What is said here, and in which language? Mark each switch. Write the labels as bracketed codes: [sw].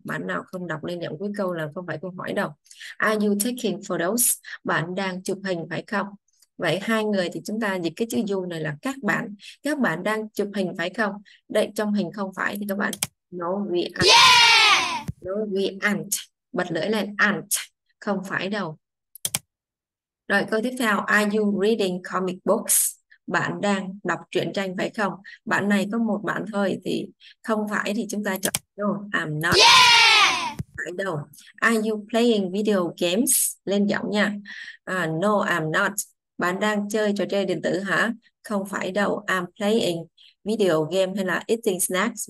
[vi] Bạn nào không đọc lên giọng cuối câu là không phải câu hỏi đâu. [en] Are you taking photos? [vi] Bạn đang chụp hình phải không? Vậy hai người thì chúng ta dịch cái chữ you này là các bạn đang chụp hình phải không? Đây trong hình không phải thì các bạn [en] no we aren't. No we aren't. [vi] Bật lưỡi lên aren't. Không phải đâu. Rồi câu tiếp theo, [en] are you reading comic books? [vi] Bạn đang đọc truyện tranh phải không? Bạn này có một bạn thôi thì không phải thì chúng ta chọn [en] no, I'm not. [vi] Phải đâu. [en] Are you playing video games? [vi] Lên giọng nha. [en] No, I'm not. [vi] Bạn đang chơi trò chơi điện tử hả? Không phải đâu. [en] I'm playing video game [vi] hay là [en] eating snacks?